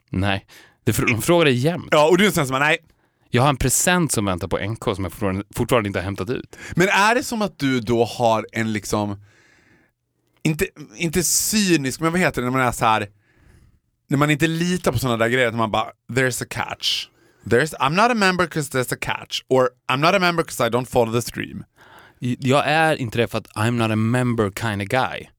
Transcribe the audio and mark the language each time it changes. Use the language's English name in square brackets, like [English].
[Swedish] Nej. De frågar dig jämt. Ja, och du är en sån som är, nej. Jag har en present som väntar på NK som jag fortfarande inte har hämtat ut. Men är det som att du då har en liksom... Inte cynisk, men vad heter det? När man är så här... När man inte litar på såna där grejer. När man bara, [English] there's a catch. I'm not a member because there's a catch. Or I'm not a member because I don't follow the stream. [Swedish] Jag är inte det för att [English] I'm not a member kind of guy.